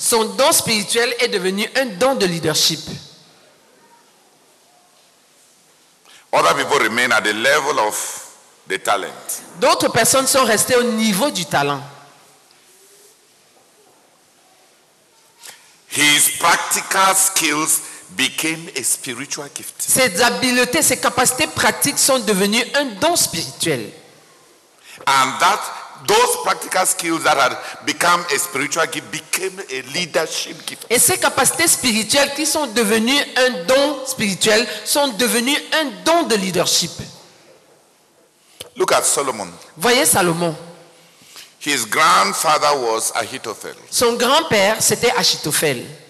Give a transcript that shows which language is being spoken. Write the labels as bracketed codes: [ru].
[fr] Son don spirituel est devenu un don de leadership. [en] Other people remain at the level of the talent. [fr] D'autres personnes sont restées au niveau du talent. [en] His practical skills became a spiritual gift. [fr] Ses habiletés, ses capacités pratiques sont devenues un don spirituel. [en] And that those practical skills that had become a spiritual gift became a leadership gift. [fr] Et ces capacités spirituelles qui sont devenues un don spirituel sont devenues un don de leadership. [en] Look at Solomon. [fr] Voyez Salomon. [en] His grandfather was Ahithophel. [fr] Son grand-père c'était Ahithophel.